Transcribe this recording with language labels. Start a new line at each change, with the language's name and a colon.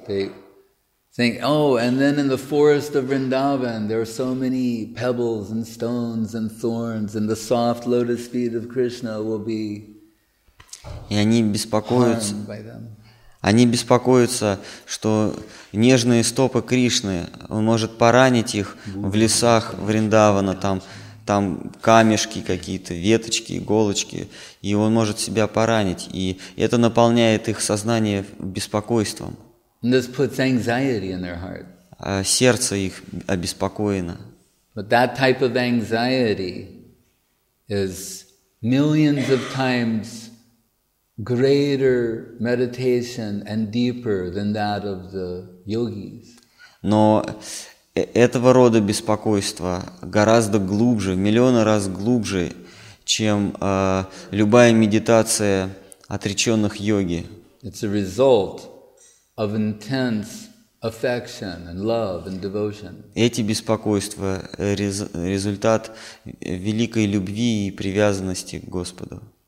English: They think, and then in the forest of Vrindavan, there are so many pebbles and stones and thorns, and the soft lotus feet of Krishna will be harmed by them.
Russian: Они беспокоятся, что нежные стопы Кришны, он может поранить их в лесах Вриндавана, там камешки какие-то, веточки, иголочки, и он может себя поранить, и это наполняет их сознание беспокойством.
English: And this puts anxiety in their heart.
Russian: Сердце их обеспокоено.
English: But that type of anxiety is millions of times greater meditation and deeper than that of the yogis.
Russian: Но этого рода беспокойство гораздо глубже, миллионы раз глубже, чем любая медитация отреченных йоги.
English: It's a result of intense affection and love and devotion.
Russian: Эти беспокойства результат великой любви и привязанности к Господу.